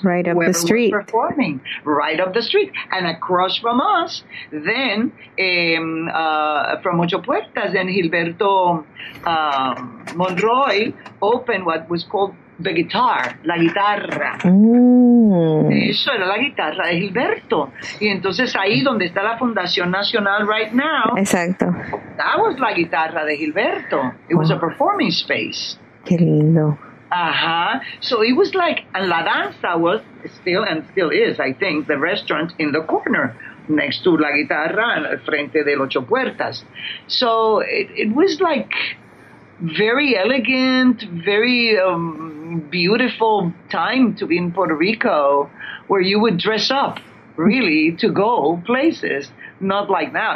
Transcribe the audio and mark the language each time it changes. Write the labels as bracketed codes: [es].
[en] Right up the street. We're performing right up the street. And across from us, then from Ocho Puertas, then Gilberto Monroy opened what was called the guitar, la guitarra. Mm. [es] Eso era la guitarra de Gilberto. Y entonces ahí donde está la Fundación Nacional [en] right now. [es] Exacto. That was la guitarra de Gilberto. [en] It was a performing space. [es] Qué lindo. Ajá. [en] So it was like, and la danza was still, and still is, I think, the restaurant in the corner next to la guitarra, [es] al frente del Ocho Puertas. [en] So it was like very elegant, very beautiful time to be in Puerto Rico, where you would dress up, really, to go places. Not like now.